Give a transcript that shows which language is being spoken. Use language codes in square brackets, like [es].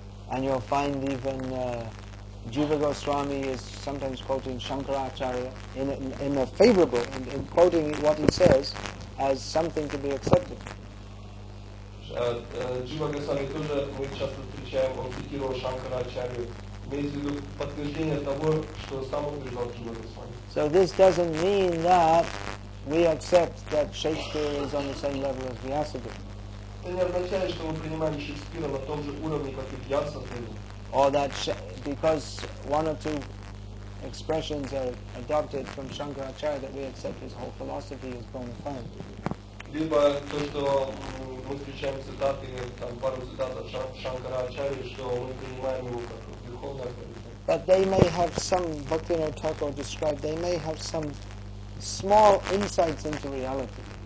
[en] And you'll find even Jiva Goswami is sometimes quoting Shankaracharya in a favorable, in quoting what he says as something to be accepted. [ru] Jiva Goswami тоже мы часто встречаем, он цитировал Shankaracharya, имеется в виду подтверждение того, что сам утверждал Jiva Goswami. [en] So this doesn't mean that we accept that Shakespeare is on the same level as Vyasadeva. [ru] Это не означает, что мы принимаем Шекспира на том же уровне, как и Вьясадева. [en] Or that because one or two expressions are adopted from Shankaracharya that we accept his whole philosophy is bona fide. [ru] Либо то, что мы встречаем цитаты, там пару цитат от Шанкарачарьи, что мы принимаем его как духовное авторитет. [en] But they may have some, Bhaktivinoda Thakur described, they may have some small insights into reality.